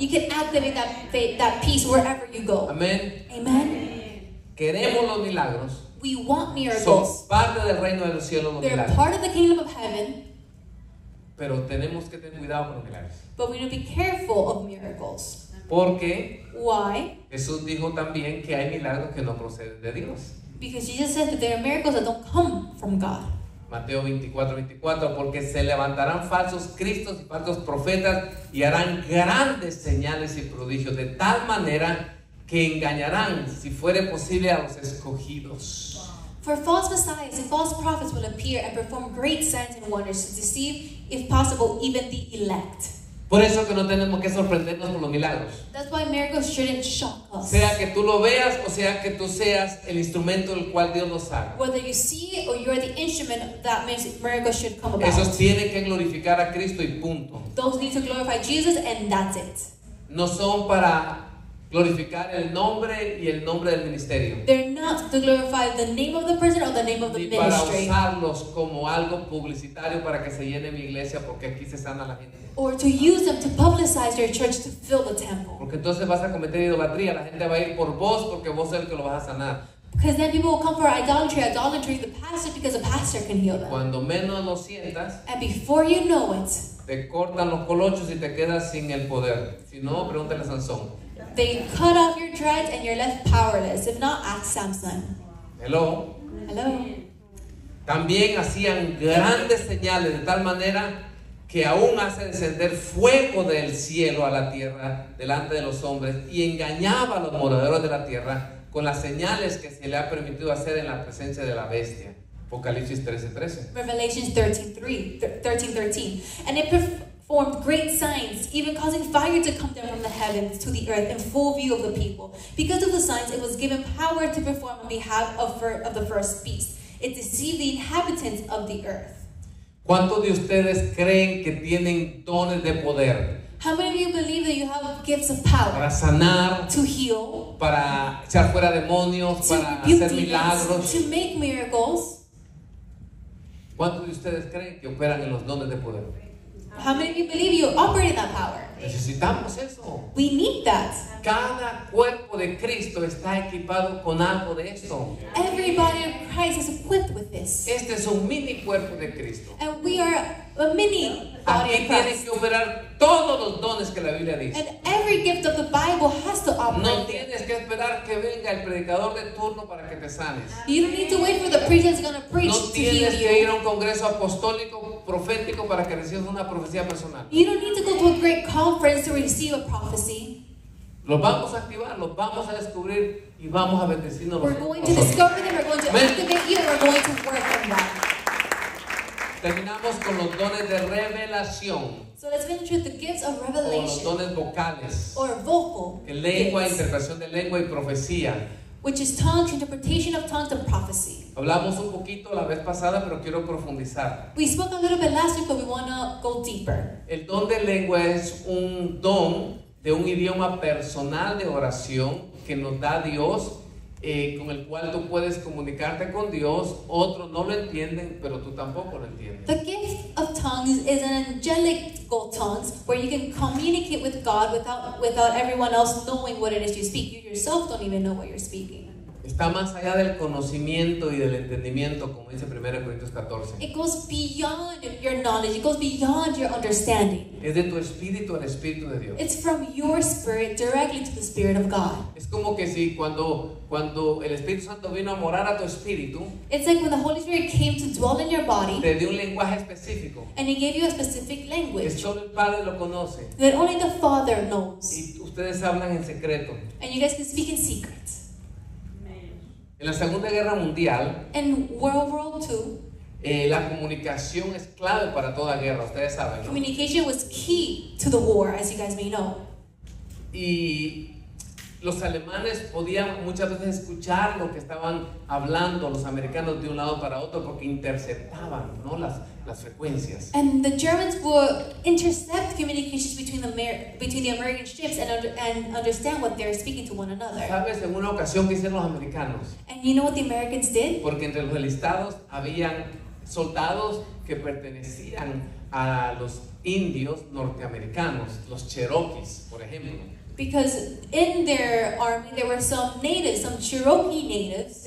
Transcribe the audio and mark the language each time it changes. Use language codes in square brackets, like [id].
[en] You can activate that peace wherever you go. Amen. Amen. [es] Queremos los milagros. [en] We want miracles. [es] Son parte del reino de los cielos, los [en] They're [es] milagros. [en] Part of the kingdom of heaven. [es] Pero tenemos que tener cuidado con los milagros. [en] But we need to be careful of miracles. [es] Porque [en] Why? [es] Jesús dijo también que hay milagros que no proceden de Dios. [en] Because Jesus said that there are miracles that don't come from God. [es] Mateo 24:24, porque se levantarán falsos cristos y falsos profetas y harán grandes señales y prodigios de tal manera que engañarán, si fuere posible, a los escogidos. [en] For false messiahs and false prophets will appear and perform great signs and wonders to deceive, if possible, even the elect. [es] Por eso que no tenemos que sorprendernos por los milagros. [en] That's why miracles shouldn't shock us. [es] Sea que tú lo veas o sea que tú seas el instrumento del cual Dios los haga. [en] Whether you see it or you're the instrument that miracles should come about. [es] Eso tiene que glorificar a Cristo y punto. [en] Those need to glorify Jesus and that's it. [es] No son para glorificar el nombre y el nombre del ministerio. [en] They're not to glorify the name of the person or the name of the [es] ni [en] ministry. [es] Para usarlos como algo publicitario para que se llene mi iglesia porque aquí se sana la gente. [en] Or to use them to publicize your church to fill the temple. [es] Porque entonces vas a cometer idolatría. La gente va a ir por vos porque vos eres el que lo vas a sanar. [en] Because then people will come for idolatry the pastor because a pastor can heal them. [es] Cuando menos lo sientas. [en] And before you know it. [es] Te cortan los colochos y te quedas sin el poder. Si no, pregúntale a Sansón. [en] They cut off your dreads and you're left powerless. If not, ask Samson. Hello. Hello. [es] También hacían grandes señales de tal manera que aún hace descender fuego del cielo a la tierra delante de los hombres y engañaba a los moradores de la tierra con las señales que se le ha permitido hacer en la presencia de la bestia. Apocalipsis 13:13. [en] Revelation 13:13. And it performed great signs, even causing fire to come down from the heavens to the earth in full view of the people. Because of the signs, it was given power to perform on behalf of the first beast. It deceived the inhabitants of the earth. [es] ¿Cuántos de ustedes creen que tienen dones de poder? [en] How many of you believe that you have gifts of power? [es] Para sanar, [en] to heal, [es] para echar fuera demonios, [en] to [es] para hacer demons, milagros, [en] to make miracles. [es] ¿Cuántos de ustedes creen que operan en los dones de poder? [en] How many of you believe you operate in that power? [es] Necesitamos eso. [en] We need that. [es] Cada cuerpo de Cristo está equipado con algo de esto. [en] Every body of Christ is equipped with this. [es] Este es un mini cuerpo de Cristo. [en] And we are a mini body of Christ. [es] Aquí tiene que operar todos los dones que la Biblia dice. [en] And every gift of the Bible has to operate. [es] No tienes que esperar que venga el predicador de turno para que te sanes. [en] You don't need to wait for the preacher that's going to preach to heal you. [es] No tienes que ir a un congreso apostólico profético para que recibas una profecía personal. [en] You don't need to go to a great conference to receive a prophecy. [es] Los vamos a activar, los vamos a descubrir y vamos a bendecirnos. [en] We're going to discover them, we're going to activate you, and we're going to work on that. [es] Terminamos con los dones de revelación. [en] So let's finish with the gifts of revelation. [es] O los dones vocales. [en] Or vocal. [es] En lengua, gifts. Interpretación de lengua y profecía. [en] Which is tongues, interpretation of tongues and prophecy. [es] Hablamos un poquito la vez pasada, pero quiero profundizar. [en] We spoke a little bit last week, but we want to go deeper. [es] El don de lengua es un don de un idioma personal de oración que nos da Dios, con el cual tú puedes comunicarte con Dios. Otros no lo entienden, pero tú tampoco lo entiendes. [en] The gift of tongues is an angelical tongues where you can communicate with God without everyone else knowing what it is you speak. You yourself don't even know what you're speaking. [es] Está más allá del conocimiento y del entendimiento, como dice 1 Corintios 14. [en] It goes beyond your knowledge. It goes beyond your understanding. [es] Es de tu espíritu al espíritu de Dios. [en] It's from your spirit directly to the spirit of God. [es] Es como que si cuando el Espíritu Santo vino a morar a tu espíritu. [en] It's like when the Holy Spirit came to dwell in your body. [es] Te dio un lenguaje específico. [en] And he gave you a specific language. [es] Que solo el Padre lo conoce. [en] That only the Father knows. [es] Y ustedes hablan en secreto. [en] And you guys can speak in secret. [es] En la Segunda Guerra Mundial, [en] in World War II, [es] la comunicación es clave para toda guerra, ustedes saben, ¿no? [en] Communication was key to the war, as you guys may know. [es] Y los alemanes podían muchas veces escuchar lo que estaban hablando los americanos de un lado para otro porque interceptaban, ¿no? las frecuencias. [en] And the Germans would intercept communications between the American ships and understand what they're speaking to one another. [es] ¿Sabes en una ocasión qué hicieron los americanos? [en] And you know what the Americans did? [es] Porque entre los enlistados habían soldados que pertenecían a los indios norteamericanos, los Cherokees, por ejemplo. [en] Because in their army there were some natives, some Cherokee natives.